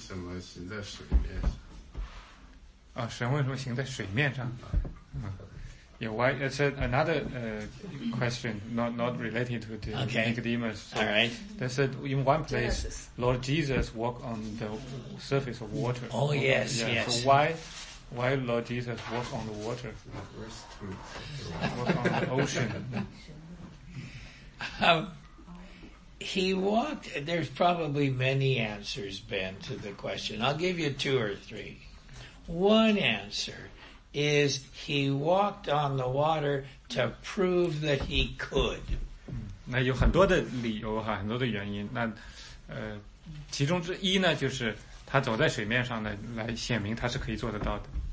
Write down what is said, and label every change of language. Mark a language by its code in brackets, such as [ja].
[zh] 那个神为什么行在水面上？啊，神为什么行在水面上？嗯 ， [en] Yeah, why? It's another question, not related to the Nicodemus. Okay. All right. They said in one place, Lord Jesus walked on the surface of water. Oh yes, yes. So why Lord Jesus walked on the water? Verse 2. Walked on the ocean. he walked, there's probably many answers, Ben, to the question. I'll give you two or three. One answer is he walked on the water to prove that he could. [zh] 那有很多的理由哈，很多的原因。那其中之一呢，就是他走在水面上呢，来显明他是可以做得到的。